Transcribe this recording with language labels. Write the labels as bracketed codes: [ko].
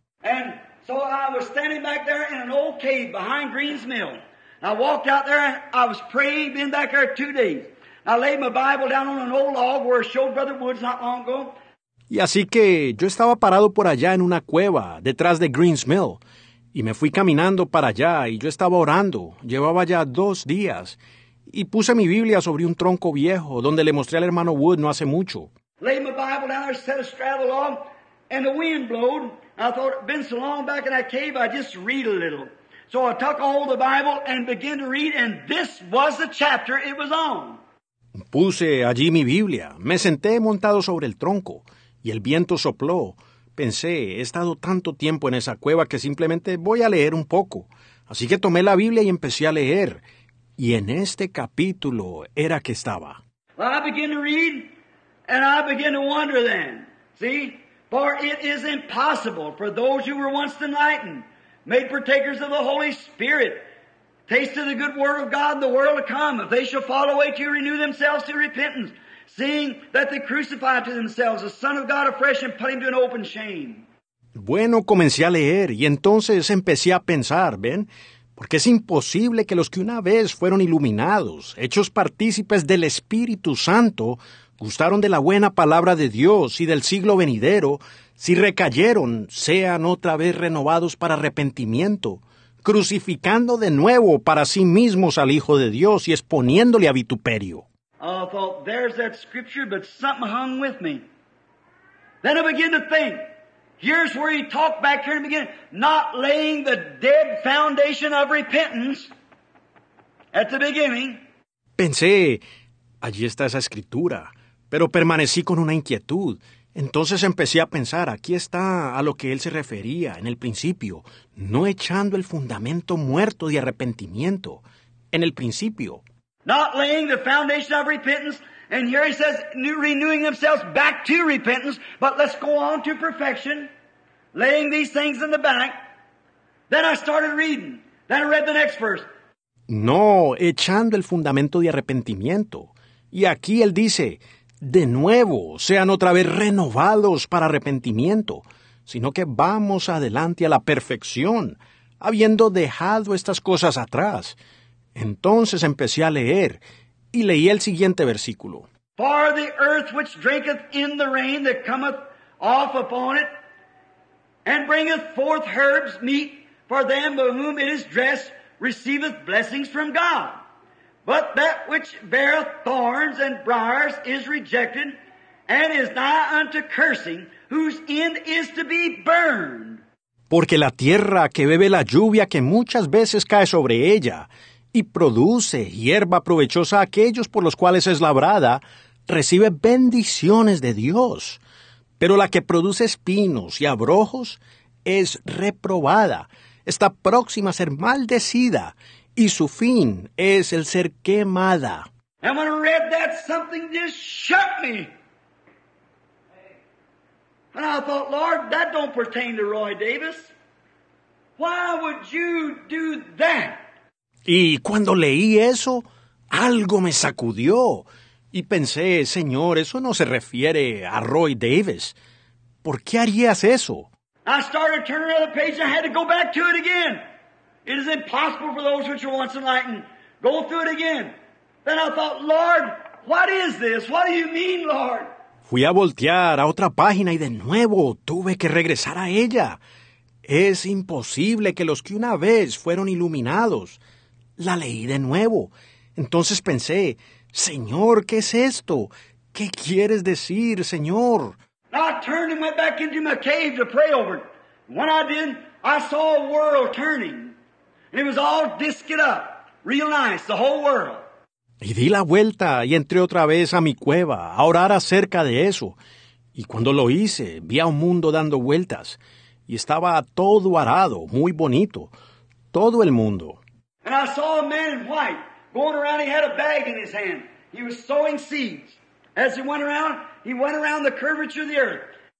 [en] And so I was standing back there in an old cave behind Green's Mill. I walked out there, I was praying, been back there 2 days. I laid my Bible down on an old log where I showed Brother Woods not long ago. [es] Y así que yo estaba parado por allá en una cueva, detrás de Green's Mill, y me fui caminando para allá, y yo estaba orando. Llevaba ya 2 días. Y puse mi Biblia sobre un tronco viejo, donde le mostré al hermano Wood no hace mucho. [en] Laid my Bible down there, set a straddle along, and the wind blowed. I thought, been so long back in that cave, I just read a little. So I took all the Bible and began to read, and this was the chapter it was on. [es] Puse allí mi Biblia. Me senté montado sobre el tronco, y el viento sopló. Pensé, he estado tanto tiempo en esa cueva que simplemente voy a leer un poco. Así que tomé la Biblia y empecé a leer. Y en este capítulo era que estaba. [en] Well, I begin to read, and I begin to wonder then, see? For it is impossible for those who were once enlightened, made partakers of the Holy Spirit, tasted the good word of God in the world to come, if they shall fall away to renew themselves to repentance, seeing that they crucified to themselves the Son of God afresh and put him to an open shame. [es] Bueno, comencé a leer, y entonces empecé a pensar, ¿ven? Porque es imposible que los que una vez fueron iluminados, hechos partícipes del Espíritu Santo, gustaron de la buena palabra de Dios y del siglo venidero, si recayeron, sean otra vez renovados para arrepentimiento, crucificando de nuevo para sí mismos al Hijo de Dios y exponiéndole a vituperio. [en] I thought, there's that scripture, but something hung with me. Then I began to think. Here's where he talked back here in the beginning, not laying the dead foundation of repentance at the beginning. [es] Pensé, allí está esa escritura, pero permanecí con una inquietud. Entonces empecé a pensar, aquí está a lo que él se refería en el principio, no echando el fundamento muerto de arrepentimiento en el principio. [en] Not laying the foundation of repentance. And here he says, renewing themselves back to repentance, but let's go on to perfection, laying these things in the back. Then I started reading. Then I read the next verse. [es] No, echando el fundamento de arrepentimiento. Y aquí él dice, de nuevo, sean otra vez renovados para arrepentimiento. sino que vamos adelante a la perfección, habiendo dejado estas cosas atrás. Entonces empecé a leer y leí el siguiente versículo. [en] For the earth which drinketh in the rain that cometh off upon it, and bringeth forth herbs meet for them by whom it is dressed, receiveth blessings from God. But that which beareth thorns and briars is rejected, and is nigh unto cursing, whose end is to be burned. [es] Porque la tierra que bebe la lluvia que muchas veces cae sobre ella, y produce hierba provechosa a aquellos por los cuales es labrada, recibe bendiciones de Dios. Pero la que produce espinos y abrojos es reprobada, está próxima a ser maldecida, y su fin es el ser quemada. [en] And when I read that, something just shook me. And I thought, Lord, that don't pertain to Roy Davis. Why would you do that? [es] Y cuando leí eso, algo me sacudió. Y pensé, Señor, eso no se refiere a Roy Davis. ¿Por qué harías eso? [en] I started turning the page and I had to go back to it again. It is impossible for those which are once enlightened. Go through it again. Then I thought, Lord, what is this? What do you mean, Lord? [es] Fui a voltear a otra página y de nuevo tuve que regresar a ella. Es imposible que los que una vez fueron iluminados... La leí de nuevo. Entonces pensé, Señor, ¿qué es esto? ¿Qué quieres decir, Señor? [en] I turned and went back into my cave to pray over it. When I did, I saw a world turning. And it was all disked up, real nice, the whole world. [es] Y di la vuelta y entré otra vez a mi cueva a orar acerca de eso. Y cuando lo hice, vi a un mundo dando vueltas. Y estaba todo arado, muy bonito. Todo el mundo. [en] And I saw a man in white going around. He had a bag in his hand. He was sowing seeds. As he went around the curvature of the earth.